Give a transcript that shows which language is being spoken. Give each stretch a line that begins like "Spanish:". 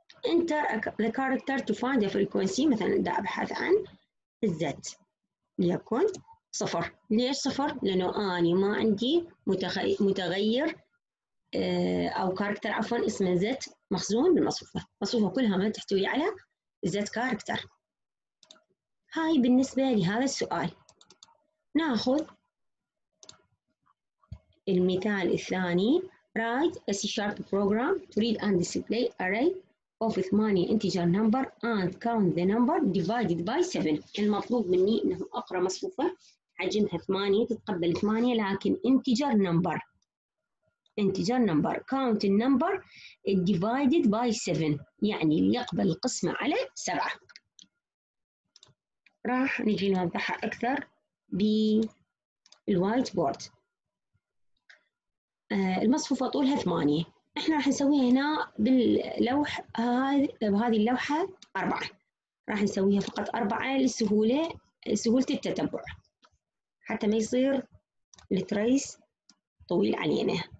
English: Enter the character to find the frequency.
Arabic: مثلاً دا أبحث عن Z ليكون 0. ليش 0؟ لأنه أنا ما عندي متغير أو character عفواً اسمه Z مخزون بالمصفوفة. المصفوفة كلها ما تحتوي على Z character. هاي بالنسبة لهذا السؤال. نأخذ المثال الثاني.
English: Write a C# program to read and display array of 8 integer number and count the number divided by 7.
Arabic: المطلوب مني انه اقرا مصفوفه حجمها 8 تتقبل 8 لكن integer number.
English: Integer number count the number divided by 7
Arabic: يعني اللي يقبل القسمه على 7. راح نجي نوضحها اكثر بالوايت بورد. المصفوفه طولها 8. احنا راح نسويها هنا باللوح بهذه اللوحة 4. راح نسويها فقط 4 لسهولة التتبع حتى ما يصير التريس طويل علينا.